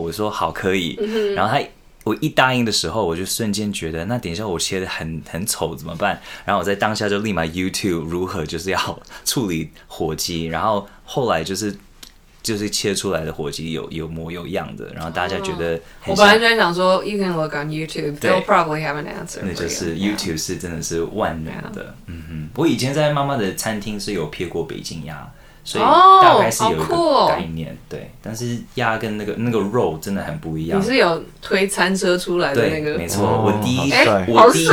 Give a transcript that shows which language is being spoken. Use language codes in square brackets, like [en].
[zh] 我说好可以，然后我一答应的时候，我就瞬间觉得，那等一下我切得很丑怎么办？然后我在当下就立马 YouTube 如何就是要处理火鸡，然后后来就是切出来的火鸡有模有样的，然后大家觉得很我本来就在想说 [en] ，You can look on YouTube, they'll probably have an answer. [zh] 那就是 YouTube 是真的是万能的。Yeah. 嗯哼，我以前在妈妈的餐厅是有撇过北京鸭，所以大概是有一个概念。哦，对，但是鸭跟那个肉真的很不一样。你是有推餐车出来的那个？没错，我第一，哦，